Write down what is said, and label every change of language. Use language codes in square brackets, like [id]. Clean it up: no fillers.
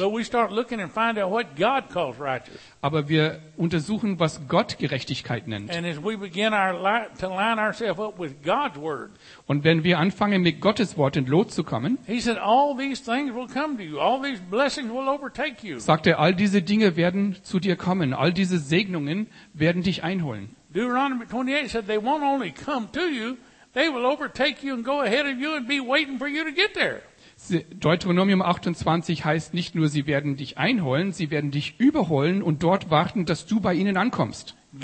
[de] Aber wir untersuchen, was Gott Gerechtigkeit nennt. Und wenn wir anfangen, mit Gottes Wort in Lot zu kommen, sagt er, all diese Dinge werden zu dir kommen, all diese Segnungen werden dich einholen. [en] Deuteronomy 28 said they won't only come to you, they will overtake you and go ahead of you and be waiting for you to get there. [de] Deuteronomium 28 heißt nicht nur, sie werden dich einholen, sie werden dich überholen und dort warten, dass du bei ihnen ankommst.